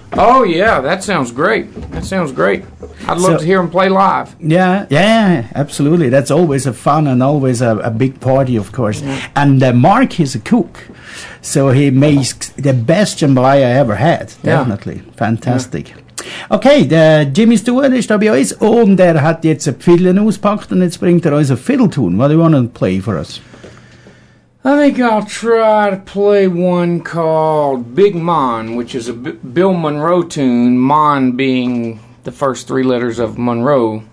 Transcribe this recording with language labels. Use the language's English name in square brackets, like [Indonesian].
[English] Oh, yeah, that sounds great. That sounds great. I'd love to hear them play live. Yeah, yeah, absolutely. That's always a fun and always a big party, of course. Mm-hmm. And Mark is a cook, so he makes the best jambalaya I ever had. Definitely. Yeah. Fantastic. Yeah. [German] Okay, der Jimmy Stewart ist da bei uns und er hat jetzt eine Fiddle auspackt und jetzt bringt er uns eine Fiddle-Tune. [English] What do you want to play for us? I think I'll try to play one called Big Mon, which is a Bill Monroe tune, Mon being the first three letters of Monroe.